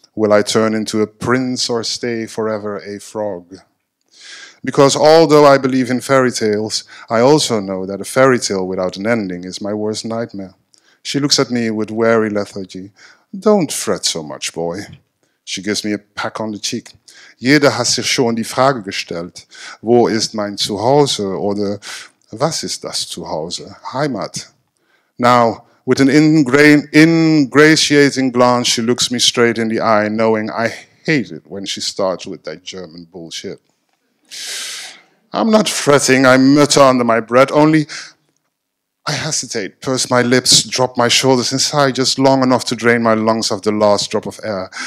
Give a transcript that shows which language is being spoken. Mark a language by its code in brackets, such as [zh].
[en] Will I turn into a prince or stay forever a frog? Because although I believe in fairy tales, I also know that a fairy tale without an ending is my worst nightmare. She looks at me with wary lethargy. Don't fret so much, boy. She gives me a peck on the cheek. [de] Jeder hat sich schon die Frage gestellt, wo ist mein Zuhause, oder was ist das Zuhause, Heimat? [en] Now, with an ingratiating glance, she looks me straight in the eye, knowing I hate it when she starts with that German bullshit. I'm not fretting, I mutter under my breath, only I hesitate, purse my lips, drop my shoulders inside just long enough to drain my lungs of the last drop of air.